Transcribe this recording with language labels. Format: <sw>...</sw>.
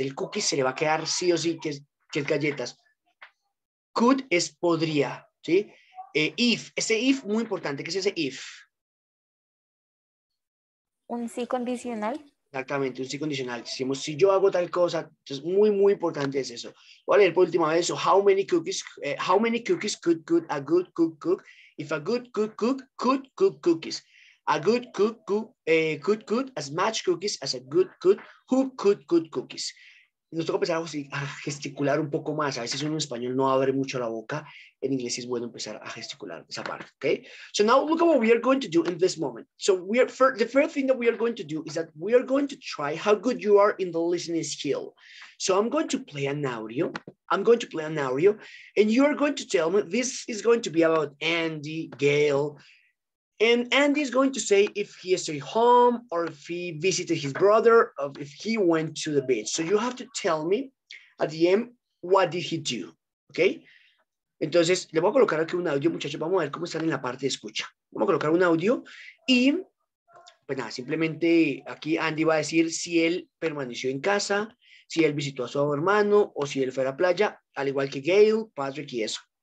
<es>El cookie se le va a quedar sí o sí, que es galletas. Could es podría, ¿sí? If, ese if muy importante. ¿Qué es ese if? Un sí condicional. Exactamente, un sí condicional. Decimos, si yo hago tal cosa, entonces muy, muy importante es eso. Voy a leer por última vez eso.</es> <en>How many cookies could cook a good cook cook if a good cook cook could cook cookies? A good cook cook could cook as much cookies as a good cook who could cook cookies.</en> <es>nos toca empezar a gesticular un poco más. A veces uno en español no abre mucho la boca. En inglés es bueno empezar a gesticular esa parte, okay?</es> <en>So now look at what we are going to do in this moment. So we are the first thing that we are going to do is that we are going to try how good you are in the listening skill. So I'm going to play an audio. I'm going to play an audio. And you are going to tell me, this is going to be about Andy, Gail. And Andy is going to say if he is at home or if he visited his brother or if he went to the beach. So you have to tell me at the end, what did he do? Okay?</en> <es>Entonces, le voy a colocar aquí un audio, muchachos. Vamos a ver cómo están en la parte de escucha. Vamos a colocar un audio y, pues nada, simplemente aquí Andy va a decir si él permaneció en casa, si él visitó a su hermano o si él fue a la playa, al igual que Gail, Patrick y eso.</es>